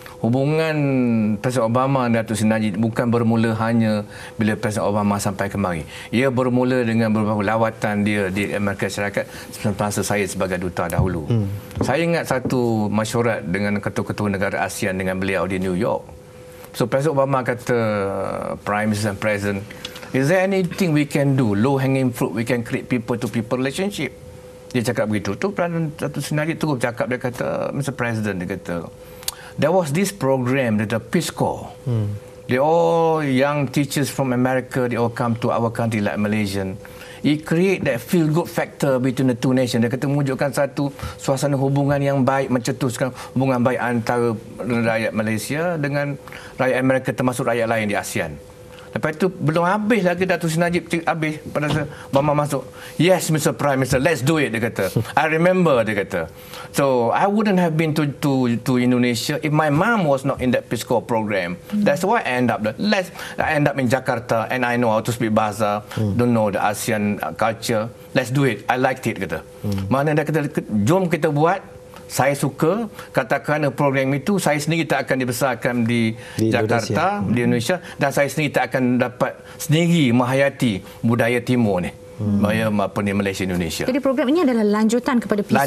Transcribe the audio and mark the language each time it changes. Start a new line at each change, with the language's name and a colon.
Malay: Hubungan Presiden Obama dan Datuk Sri Najib bukan bermula hanya bila Presiden Obama sampai kemari. Ia bermula dengan beberapa lawatan dia di Amerika Syarikat semasa saya sebagai duta dahulu. Saya ingat satu mesyuarat dengan ketua-ketua negara ASEAN dengan beliau di New York. So Presiden Obama kata,
English: Prime Minister and President, is there anything we can do, low hanging fruit, we can create people to people relationship?
Malay: Dia cakap begitu. Tu Presiden Datuk Sri Najib terus cakap, dia kata, Mr. President, dia kata,
English: there was this program,
Malay: the Peace Corps.
English: They all young teachers from America, they all come to our country like Malaysian. It create that feel good factor between the two nations.
Malay: Dia kata mewujudkan satu suasana hubungan yang baik, mencetuskan hubungan baik antara rakyat Malaysia dengan rakyat Amerika termasuk rakyat lain di ASEAN. Lepas itu belum habis lagi Datuk Sri Najib habis pada Obama masuk.
English: Yes, Mr. Prime Minister, let's do it,
Malay: dia kata.
English: I remember, dia kata. So, I wouldn't have been to Indonesia if my mom was not in that Peace Corps program. That's why I end up there. I end up in Jakarta and I know how to speak bahasa, don't know the ASEAN culture. Let's do it. I liked it, kata.
Malay: Mana dia kata, jom kita buat. Saya suka, katakan program itu saya sendiri tak akan dibesarkan di Jakarta, Indonesia. Di Indonesia, dan saya sendiri tak akan dapat sendiri menghayati budaya timur ni. Malaysia Indonesia. Jadi program ini adalah lanjutan kepada Peace Corps.